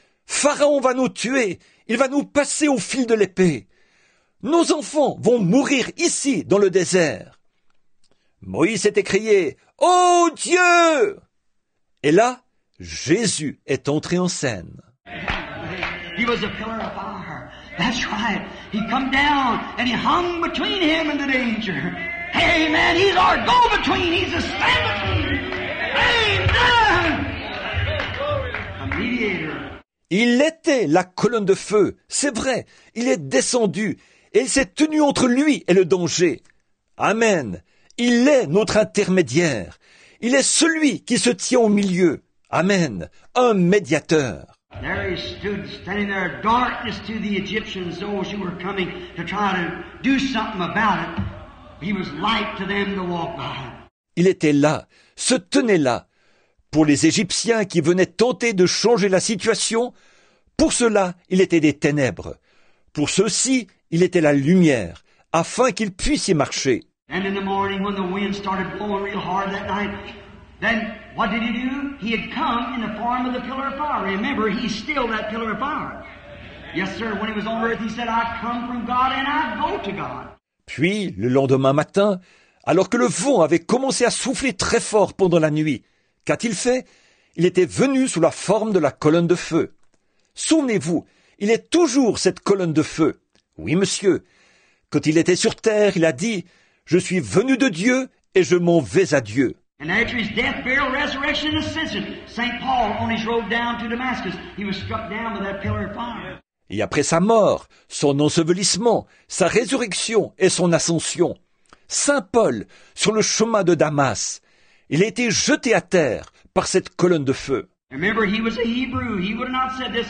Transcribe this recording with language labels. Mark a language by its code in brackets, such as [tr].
[fr] Pharaon va nous tuer, il va nous passer au fil de l'épée. Nos enfants vont mourir ici, dans le désert. Moïse était crié, « Oh Dieu !» Et là, Jésus est entré en scène. [en] He was a pillar of fire. That's right. He come down and he hung between him and the danger. Amen. He's our go-between. He's a stand-between. Amen. A mediator. [fr] Il était la colonne de feu, c'est vrai, il est descendu et il s'est tenu entre lui et le danger. Amen. Il est notre intermédiaire. Il est celui qui se tient au milieu. Amen. Un médiateur. [en] There he stood, standing there, darkness to the Egyptians, those who were coming to try to do something about it. He was light to them to walk by. [fr] Il était là, se tenait là. Pour les Égyptiens qui venaient tenter de changer la situation, pour cela, il était des ténèbres. Pour ceux-ci, il était la lumière, afin qu'ils puissent y marcher. [en] And in the morning, when the wind started blowing real hard that night, then what did he do? He had come in the form of the pillar of fire. Remember, he's still that pillar of fire. Yes, sir, when he was on earth, he said, I come from God and I go to God. [fr] Puis, le lendemain matin, alors que le vent avait commencé à souffler très fort pendant la nuit, qu'a-t-il fait? Il était venu sous la forme de la colonne de feu. Souvenez-vous, il est toujours cette colonne de feu. Oui, monsieur. Quand il était sur terre, il a dit, « Je suis venu de Dieu et je m'en vais à Dieu. [en] And after his death, burial, resurrection, and ascension, Saint Paul on his road down to Damascus, he was struck down by that pillar of fire. [fr] Et après sa mort, son ensevelissement, sa résurrection et son ascension, Saint Paul, sur le chemin de Damas, il a été jeté à terre par cette colonne de feu. [en] Remember, he was a Hebrew. He would have not said this.